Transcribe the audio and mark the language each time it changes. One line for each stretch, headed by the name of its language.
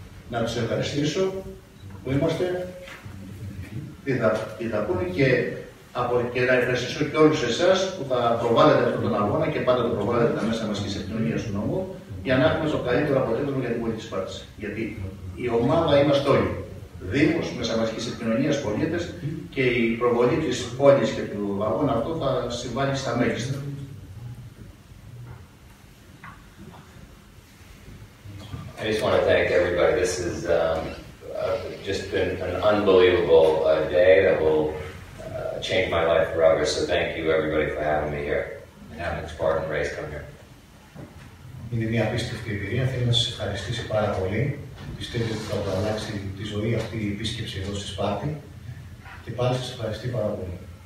Greek: Να τους ευχαριστήσω που είμαστε, τι θα πούνε και να ευχαριστήσω και όλους εσάς που θα προβάλλετε αυτόν τον αγώνα και πάντα το προβάλλετε τα μέσα μας και σε κοινωνία του νόμου για να έχουμε το καλύτερο αποτέλεσμα για την πόλη της Σπάρτης. Γιατί η ομάδα είμαστε όλοι. Δήμος, μέσα μαζικής επικοινωνίας, πολίτες και η προβολή της πόλης και του αγώνα αυτό θα συμβάλλει στα μέγιστα.
English: I just want to thank everybody. This has just been an unbelievable day that will change my life forever. So thank you, everybody, for having me here and having the Spartan Race come here.
Greek: Είναι μια απίστευτη εμπειρία. Θέλω να σας ευχαριστήσω πάρα πολύ. Πιστεύω ότι θα το αλλάξει τη ζωή αυτή η επίσκεψη εδώ στη Σπάρτη. Και πάλι σας ευχαριστώ πάρα πολύ.